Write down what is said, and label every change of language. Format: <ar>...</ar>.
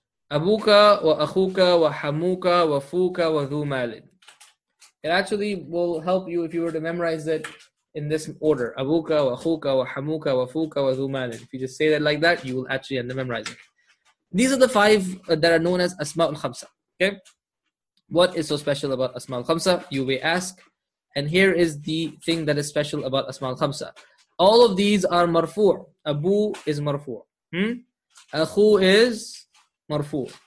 <ar>Abuka wa akhuka wa hamuka wa fuka wa dhu malin.</ar> <en>It actually will help you if you were to memorize it in this order.</en> <ar>Abuka wa akhuka wa hamuka wa fuka wa dhu malin.</ar> <en>If you just say that like that, you will actually end up memorizing. These are the five that are known as asma'ul khamsa. Okay? What is so special about asma'ul khamsa? You may ask. And here is the thing that is special about asma'ul khamsa. All of these are marfu'. Abu is marfu'. Akhu is marfu.</en>